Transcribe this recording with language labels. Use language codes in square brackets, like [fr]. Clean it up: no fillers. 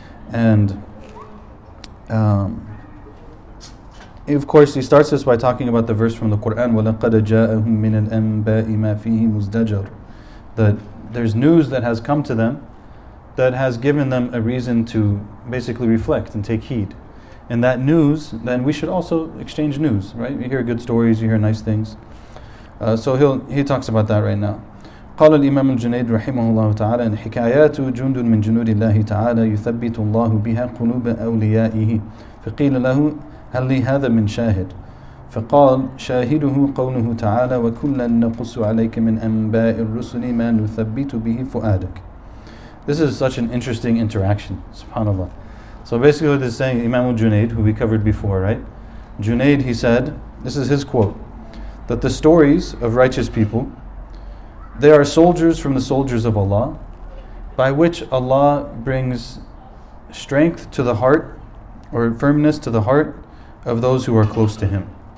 [en] And of course, he starts this by talking about the verse from the Quran, [ar] وَلَقَدَ جَاءَهُمْ مِنَ الْأَنْبَاءِ مَا فِيهِ مُزْدَجَرُ, [en] that there's news that has come to them that has given them a reason to basically reflect and take heed. And that news, then we should also exchange news, right? You hear good stories, you hear nice things. So he talks about that right now. [ar] قال الإمام الجنيد رحمه الله تعالى إن حكاياته جند من جنود الله تعالى يثبت الله بها قلوب أوليائه فقيل له هل لي هذا من شاهد فقال شاهده قوله تعالى وكلا نقص عليك من أنباء الرسل ما نثبت به فؤادك. [en] This is such an interesting interaction, subhanAllah. So basically what they're saying, Imam al-Junaid, who we covered before, right? Junaid, he said, this is his quote, that the stories of righteous people, they are soldiers from the soldiers of Allah, by which Allah brings strength to the heart, or firmness to the heart, of those who are close to him.